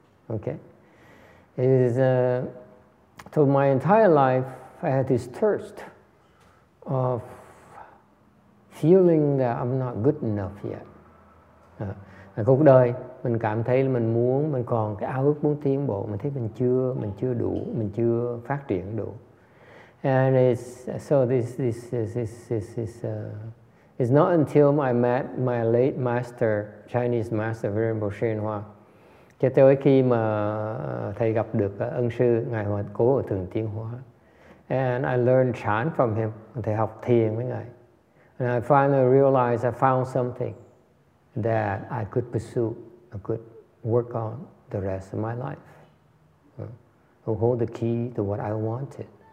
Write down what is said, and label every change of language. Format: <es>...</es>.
<en>Okay, so my entire life, I had this thirst of feeling that I'm not good enough yet.</en> <vi>Cuộc đời, mình cảm thấy là mình còn cái ao ước muốn tiến bộ, mình thấy mình chưa đủ, mình chưa phát triển đủ.</vi> <en>And it's not until I met my late master, Chinese master, Venerable Shen Hua.</en> <vi>Cho tới khi mà thầy gặp được ân sư Ngài Hòa Cố ở Thượng Tiên Hóa.</vi> <en>And I learned chan from him.</en> <vi>Thầy học thiền với Ngài.</vi> <en>And I finally realized I found something that I could pursue, I could work on the rest of my life. who hold the key to what I wanted.</en>